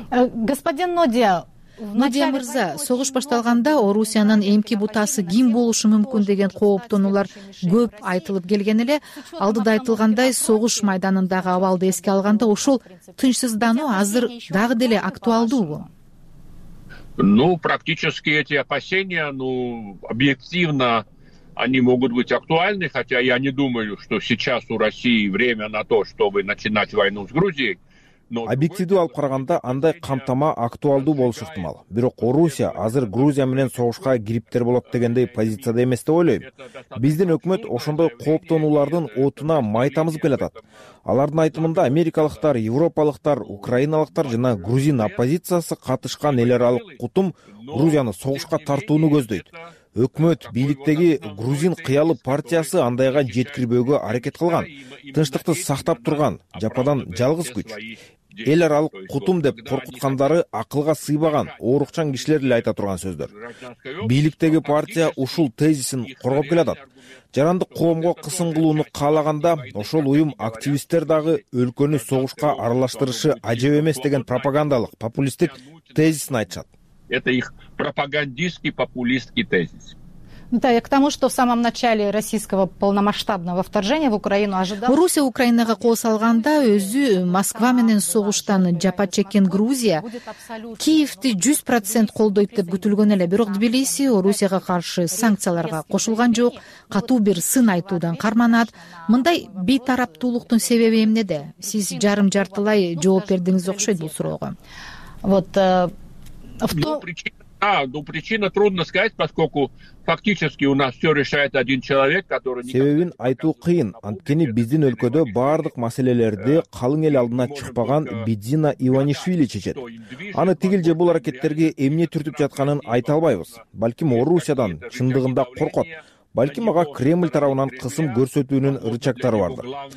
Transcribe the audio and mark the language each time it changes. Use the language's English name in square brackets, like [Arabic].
[Kyrgyz] Господин Нодия, Нодия мырза, согуш башталганда Орусиянын эмки бутасы ким болушу мүмкүн деген кооптонуулар көп айтылып келген эле. Алдыда айтылгандай, согуш майданындагы абалды эске алганда ушул тынчсыздануу азыр дагы деле актуалдуубу? [Russian] Ну, практически эти опасения, ну, объективно они могут быть актуальны, хотя я не думаю, что сейчас у России время на то, чтобы начинать войну с Грузией. [Kyrgyz] Объективдүү алып караганда андай камтама актуалдуу болушу ыктымал. Бирок Орусия азыр Грузия менен согушка кириптер болот дегендей позицияда эмес деп ойлойм. Биздин өкмөт ошондой кооптонуулардын отуна май тамызып келатат. Алардын айтымында америкалыктар, европалыктар, украиналыктар жана грузин оппозициясы катышкан эл аралык кутум Грузияны согушка тартууну көздөйт. Өкмөт бийликтеги грузин кыялы партиясы андайга жеткирбөөгө аракет кылган, тынчтыкты сактап турган жападан жалгыз күч. Эл аралык кутум деп коркуткандары акылга сыйбаган, оорукчан кишилер эле айта турган сөздөр. Бийликтеги партия ушул тезисин коргоп келатат. Жарандык коомго кысым кылууну каалаганда ошол уюм активисттер дагы өлкөнү согушка аралаштырышы ажеп эмес деген пропагандалык, популисттик тезисин айтышат. [Russian] Это их пропагандистский, популистский тезис. Да, я к тому, что в самом начале российского полномасштабного вторжения в Украину ожидалось... [Kyrgyz] Русия Украинага кол салганда өзү Москва менен согуштан жапа чеккен Грузия Киевти 100% колдойт деп күтүлгөн эле. Бирок Тбилиси Русияга каршы санкцияларга кошулган жок, катуу бир сын айтуудан карманат. Мындай бейтараптуулуктун себеби эмнеде? Сиз жарым-жартылай жооп бердиңиз окшойт бул суроого. [Russian] Вот... Причина трудно сказать, поскольку фактически у нас все решает один человек, который... [Kyrgyz] Себебин айтуу кыйын, анткени биздин өлкөдө бардык маселелерди калың эл алдына чыкпаган Бидзина Иванишвили чечет. Аны тигил же бул аракеттерге эмне түртүп жатканын айта албайбыз. Балким Орусиядан чындыгында коркот. Балким ага Кремль тарабынан кысым көрсөтүүнүн рычагтары бардыр.